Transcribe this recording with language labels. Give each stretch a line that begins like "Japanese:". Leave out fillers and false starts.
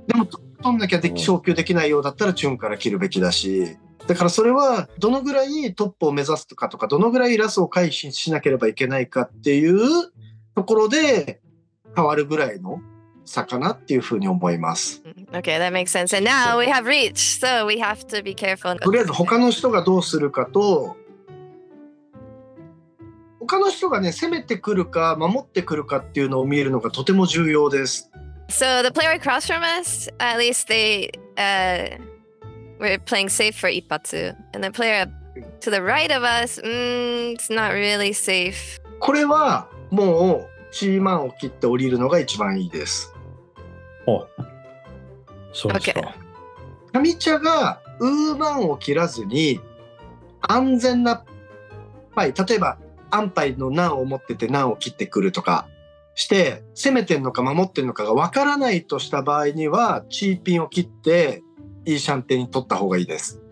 Japanese: でも取んなきゃ昇級できないようだったらチュンから切るべきだし、だからそれはどのぐらいトップを目指すとかとか、どのぐらいラスを回避しなければいけないかっていうところで変わるぐらいの差かなっていうふうに思います。
English: Okay, that makes sense. And now we have reached, so we have to be careful.
Japanese: とりあえず他の人がどうするかと、他の人がね攻めてくるか守ってくるかっていうのを見るのがとても重要です。
English: So the player across from us, at least they were playing safe for Ippatsu. And the player to the right of us, it's not really safe.
Japanese: これはもうチーマンを切って降りるのが一番いいです。お、そうですか。カミチャがウーマンを切らずに安全なパイ、例えばアンパイのナンを持っててナンを切ってくるとか、して攻めてんのか守ってんのかが分からないとした場合にはチーピンを切っていいシャンテに取った方がいいです。